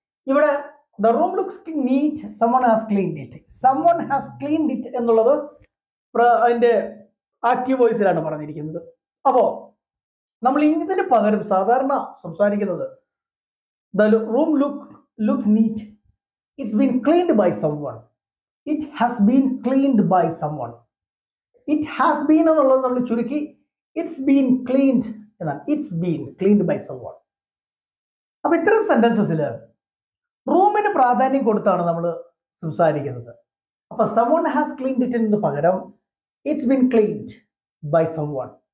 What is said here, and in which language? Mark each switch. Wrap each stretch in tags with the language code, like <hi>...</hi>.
<ml>ഇവിടെ</ml> <en>The room looks neat, someone has cleaned it. Someone has cleaned it</en> <ml>എന്നുള്ളത് അതിന്റെ active വോയിസിലാണ് പറഞ്ഞിരിക്കുന്നത്. അപ്പോ നമ്മൾ ഇതിന് പകരം സാധാരണ സംസാരിക്കുന്നത്</ml> <en>The room looks neat. It's been cleaned by someone. It has been cleaned by someone. It has been</en> <ml>എന്നുള്ളത് നമ്മൾ ചുരുക്കി</ml> <en>it's been cleaned</en> <ml>എന്നാണ്.</ml> <en>It's been cleaned by someone.</en> <ml>അപ്പൊ ഇത്തരം സെന്റൻസസിൽ റൂമിന് പ്രാധാന്യം കൊടുത്താണ് നമ്മൾ സംസാരിക്കുന്നത്. അപ്പൊ</ml> <en>someone has cleaned it</en> <ml>എന്ന് പകരം</ml> <en>It's been cleaned by someone.</en>